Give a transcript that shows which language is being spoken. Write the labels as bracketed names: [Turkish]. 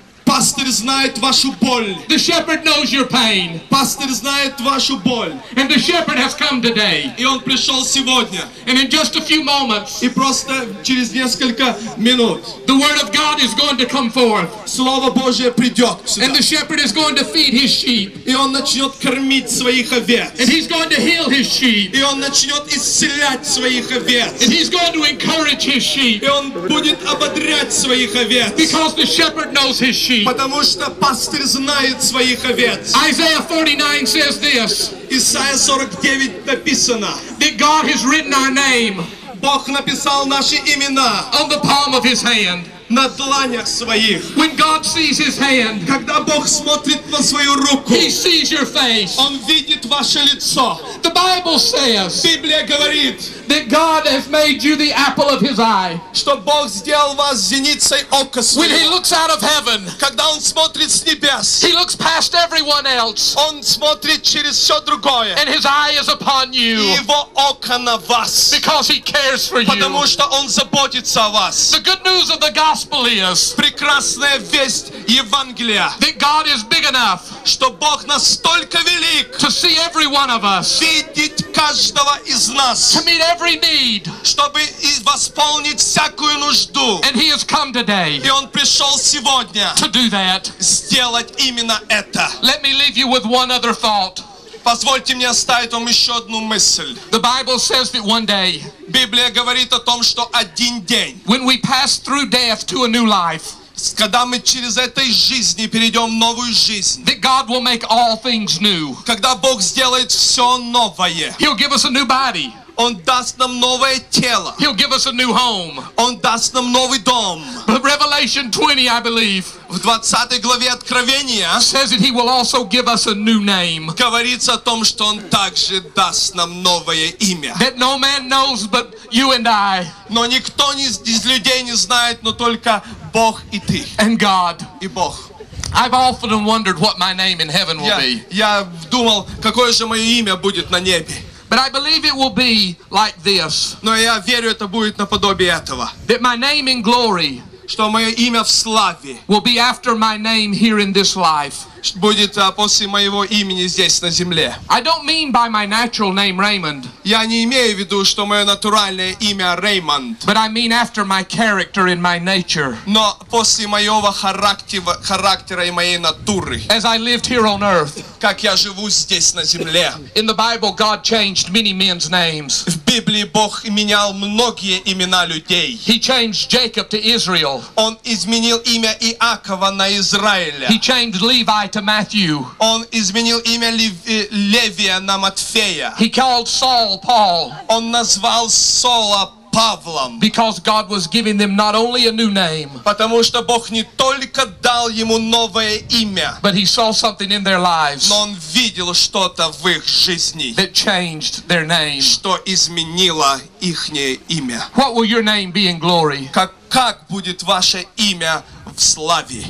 [Russian] Пастырь знает вашу боль. [English] The shepherd knows your pain. [Russian] Пастырь знает вашу боль. [English] And the shepherd has come today. [Russian] И он пришел сегодня. [English] And in just a few moments. [Russian] И просто через несколько минут. [English] The word of God is going to come forth. [Russian] Слово Божье придет сюда. [English] And the shepherd is going to feed his sheep. [Russian] И он начнет кормить своих овец. [English] And he's going to heal his sheep. [Russian] И он начнет исцелять своих овец. [English] And he's going to encourage his sheep. [Russian] И он будет ободрять своих овец. [English] Because the shepherd knows his sheep. [Russian] Потому что пастырь знает своих овец. [English] Isaiah 49 says this. [Russian] Исайя 49 написано. [English] That God has written our name. [Russian] Бог написал наши имена. [English] On the palm of his hand. [Russian] На дланях своих. [English] When God sees his hand. [Russian] Когда Бог смотрит на свою руку. [English] He sees your face. [Russian] Он видит ваше лицо. [English] The Bible says. [Russian] Библия говорит. [English] That God has made you the apple of his eye. [Russian] Что Бог сделал вас зеницей ока своего. [English] When he looks out of heaven. [Russian] Когда он смотрит с небес. [English] He looks past everyone else. [Russian] Он смотрит через все другое. [English] And his eye is upon you. [Russian] Его око на вас. [English] Because he cares for you. [Russian] Потому что он заботится о вас. [English] The good news of the gospel is. [Russian] Прекрасная весть Евангелия. [English] That God is big enough. [Russian] Что Бог настолько велик. [English] To see every one of us. [Russian] Видеть каждого из нас. [English] Every need, [Russian] чтобы восполнить всякую нужду. [English] And he has come today. [Russian] И он пришел сегодня. [English] To do that. [Russian] Сделать именно это. [English] Let me leave you with one other thought. [Russian] Позвольте мне оставить вам еще одну мысль. [English] The Bible says that one day. [Russian] Библия говорит о том, что один день. [English] When we pass through death to a new life. [Russian] Когда мы через этой жизни перейдем в новую жизнь. [English] That God will make all things new. [Russian] Когда Бог сделает все новое. [English] He'll give us a new body. [Russian] Он даст нам новое тело. [English] He'll give us a new home. [Russian] Он даст нам новый дом. [English] But Revelation 20, I believe. [Russian] В 20 главе Откровения. [English] Says that he will also give us a new name. [Russian] Говорится о том, что он также даст нам новое имя. [English] That no man knows but you and I. [Russian] Но никто из людей не знает, но только Бог и ты. [English] And God. [Russian] И Бог. [English] I've often wondered what my name in heaven will be. [Russian] Я думал, какое же мое имя будет на небе. [English] But I believe it will be like this. [Russian] Но я верю, это будет наподобие этого. [English] That my name in glory. [Russian] Что мое имя в славе. [English] Will be after my name here in this life. [Russian] Будет после моего имени здесь на земле. [English] I don't mean by my natural name Raymond. [Russian] Я не имею в виду, что мое натуральное имя Raymond. [English] But I mean after my character and my nature. [Russian] Но после моего характера и моей натуры. [English] As I lived here on earth. [Russian] Как я живу здесь на земле. [English] In the Bible, God changed many men's names. [Russian] В Библии Бог менял многие имена людей. [English] He changed Jacob to Israel. [Russian] Он изменил имя Иакова на Израиля. [English] He changed Levi. To Matthew. [Russian] Он изменил имя Левия на Матфея. [English] He called Saul Paul. [Russian] Он назвал Саула Павлом. [English] Because God was giving them not only a new name. [Russian] Потому что Бог не только дал ему новое имя. [English] But he saw something in their lives. [Russian] Но он видел что-то в их жизни. [English] That changed their name. [Russian] Что изменило ихнее имя. [English] What will your name be in glory? [Russian] Как будет ваше имя в славе?